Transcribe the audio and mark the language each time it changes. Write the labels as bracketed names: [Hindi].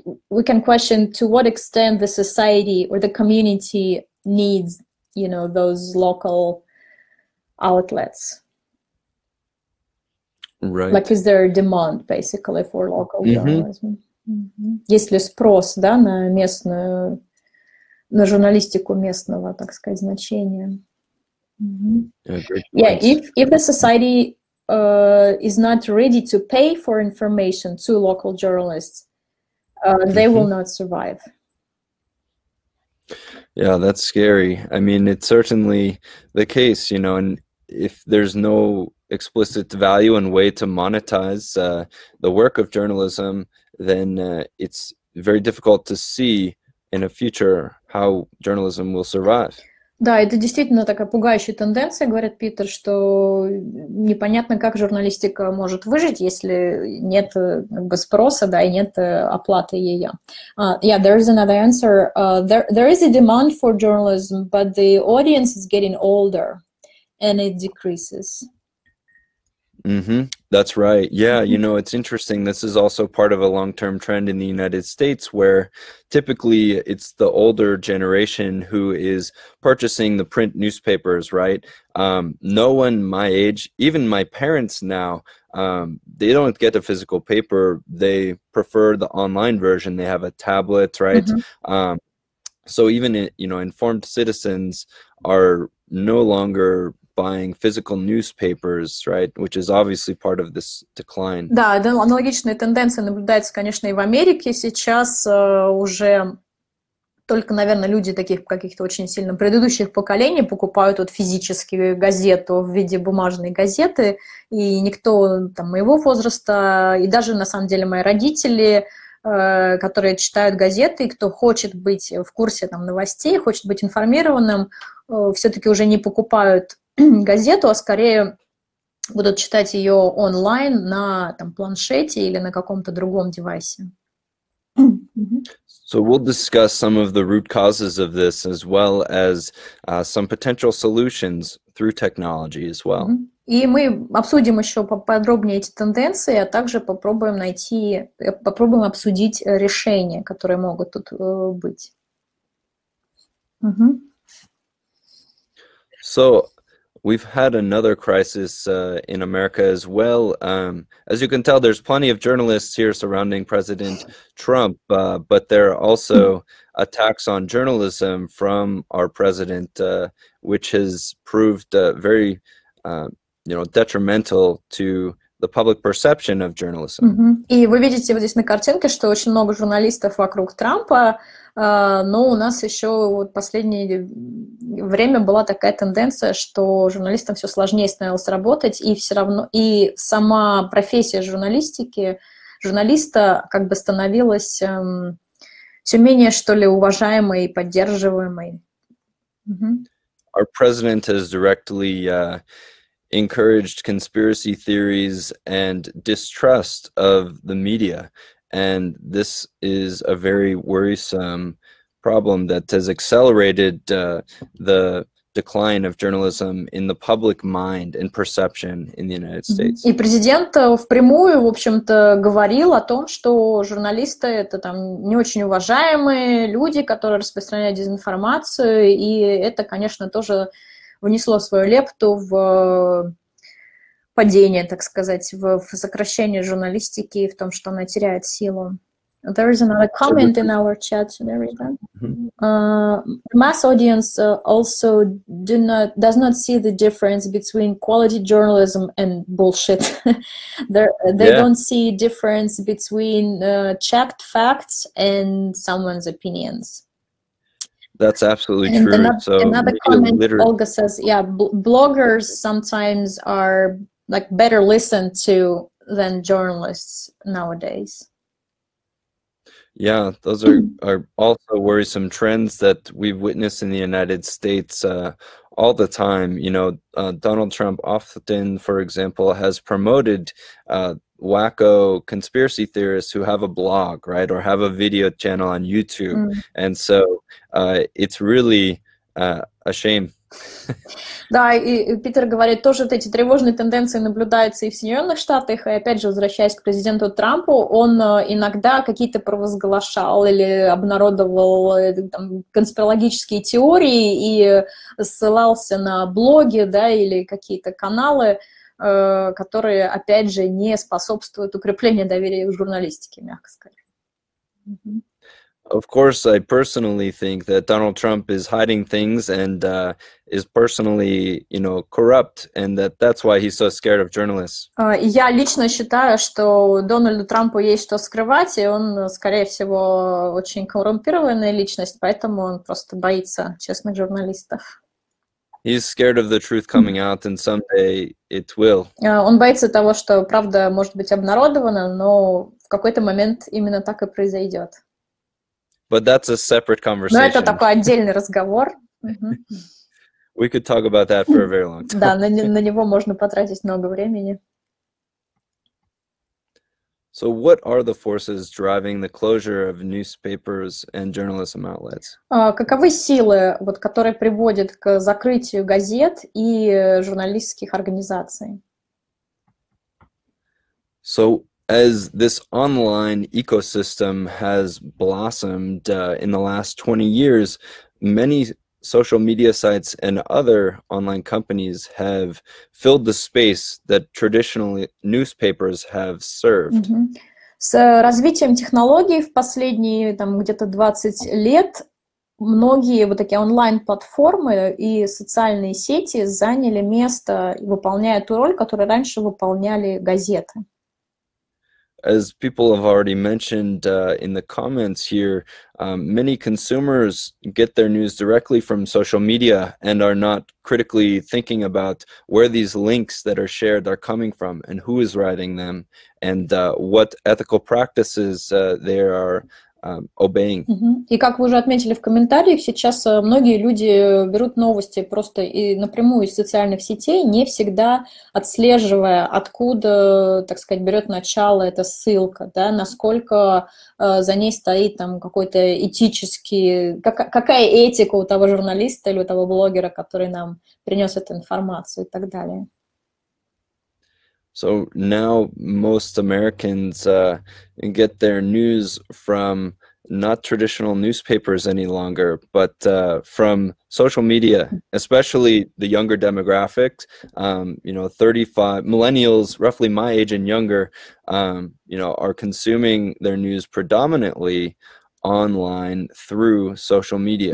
[English] We can question to what extent the society or the community needs, you know, those local outlets. Right. Like, is there a demand, basically, for local journalism? [Russian] Есть ли спрос, да, на местную, на журналистику местного, так сказать, значения? [English] Yeah, if the society is not ready to pay for information to local journalists, they will not survive. Yeah, that's scary. I mean, it's certainly the case, you know, and if there's no explicit value and way to monetize the work of journalism, then it's very difficult to see in a future how journalism will survive. [Russian] Да, это действительно такая пугающая тенденция, говорит Питер, что непонятно, как журналистика может выжить, если нет как бы спроса, да, и нет оплаты ее. [English] Yeah, there is another answer. There is a demand for journalism, but the audience is getting older and it decreases. Mm-hmm. That's right. Yeah, you know, it's interesting. This is also part of a long-term trend in the United States where typically it's the older generation who is purchasing the print newspapers, right? No one my age, even my parents now, they don't get a physical paper. They prefer the online version. They have a tablet, right? So even, you know, informed citizens are no longer buying physical newspapers, right, which is obviously part of this decline. [Russian] Да, аналогичная тенденция наблюдается, конечно, и в Америке сейчас уже только, наверное, люди таких каких-то очень сильно предыдущих поколений покупают вот физические газеты в виде бумажной газеты, и никто там моего возраста, и даже, на самом деле, мои родители, которые читают газеты, и кто хочет быть в курсе там новостей, хочет быть информированным, все-таки уже не покупают газету, а скорее будут читать ее онлайн на там, планшете или на каком-то другом девайсе. [English] So we'll discuss some of the root causes of this as well as some potential solutions through technology as well. [Russian] И мы обсудим еще поподробнее эти тенденции, а также попробуем найти, попробуем обсудить решения, которые могут тут быть. [English] So We've had another crisis in America as well. As you can tell, there's plenty of journalists here surrounding President Trump, but there are also attacks on journalism from our president, which has proved very, detrimental to the public perception of journalism. Mm-hmm. [Russian] И вы видите вот здесь на картинке, что очень много журналистов вокруг Трампа, но у нас еще вот последнее время была такая тенденция, что журналистам все сложнее становилось работать, и все равно, и сама профессия журналистики, журналиста как бы становилась все менее, что ли, уважаемой и поддерживаемой. [English] Mm-hmm. Our president has directly encouraged conspiracy theories and distrust of the media, and this is a very worrisome problem that has accelerated the decline of journalism in the public mind and perception in the United States. [Russian] И президент впрямую, в общем-то, говорил о том, что журналисты — это там не очень уважаемые люди, которые распространяют дезинформацию, и это, конечно, тоже внесло свою лепту в падение, так сказать, в сокращение журналистики, в том, что она теряет силу. [English] There is another comment in our chat, Mary-Ann. Mass audience also does not see the difference between quality journalism and bullshit. They don't see difference between checked facts and someone's opinions. That's absolutely and true. Another, so another comment, Olga says, yeah, bloggers sometimes are like better listened to than journalists nowadays. Yeah, those are also worrisome trends that we've witnessed in the United States all the time. You know, Donald Trump often, for example, has promoted wacko conspiracy theorists who have a blog, right, or have a video channel on YouTube. Mm. And so it's really a shame. [Russian] Да, и Питер говорит, тоже вот эти тревожные тенденции наблюдаются и в Соединенных Штатах, и опять же, возвращаясь к президенту Трампу, он иногда какие-то провозглашал или обнародовал там, конспирологические теории и ссылался на блоги, да, или какие-то каналы, которые, опять же, не способствуют укреплению доверия к журналистике, мягко сказать. [English] Of course, I personally think that Donald Trump is hiding things and is personally, you know, corrupt, and that's why he's so scared of journalists. [Russian] Я лично считаю, что Дональду Трампу есть что скрывать, и он, скорее всего, очень коррумпированная личность, поэтому он просто боится честных журналистов. [English] He's scared of the truth coming out, and someday it will. [Russian] Он боится того, что правда может быть обнародована, но в какой-то момент именно так и произойдет. [English] But that's a separate conversation. [Russian] Но это такой отдельный разговор. [English] We could talk about that for a very long time. [Russian] Да, на него можно потратить много времени. [English] So what are the forces driving the closure of newspapers and journalism outlets? [Russian] Каковы силы, вот, которые приводят к закрытию газет и журналистских организаций? [English] So as this online ecosystem has blossomed in the last 20 years, many social media sites and other online companies have filled the space that traditionally newspapers have served. [Russian] С развитием технологий в последние там где-то 20 лет многие вот такие онлайн-платформы и социальные сети заняли место, выполняя ту роль, которую раньше выполняли газеты. [English] As people have already mentioned in the comments here, many consumers get their news directly from social media and are not critically thinking about where these links that are shared are coming from and who is writing them and what ethical practices they are obeying. [Russian] И как вы уже отметили в комментариях, сейчас многие люди берут новости просто и напрямую из социальных сетей, не всегда отслеживая, откуда, так сказать, берет начало эта ссылка, да, насколько за ней стоит там какой-то этический, какая этика у того журналиста или у того блогера, который нам принес эту информацию и так далее. [English] So now most Americans get their news from not traditional newspapers any longer, but from social media, especially the younger demographics, you know, 35 millennials, roughly my age and younger, you know, are consuming their news predominantly online through social media.